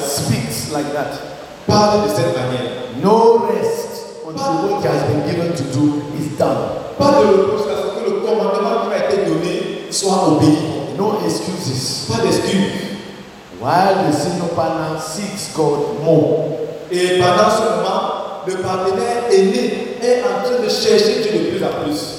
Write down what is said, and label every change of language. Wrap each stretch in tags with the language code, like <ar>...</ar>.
<en>Speaks like that.</en> <fr>Parle de cette manière.</fr> <en>No rest until what he has been given to do is done.</en> <fr>Pas de repos jusqu'à ce que le commandement qui m'a été donné soit obéi.</fr> <en>No excuses.</en> <fr>Pas d'excuses.</fr> <en>While the senior partner seeks God more.</en> <fr>Et pendant ce moment, le partenaire aîné est en train de chercher Dieu de plus en plus.</fr>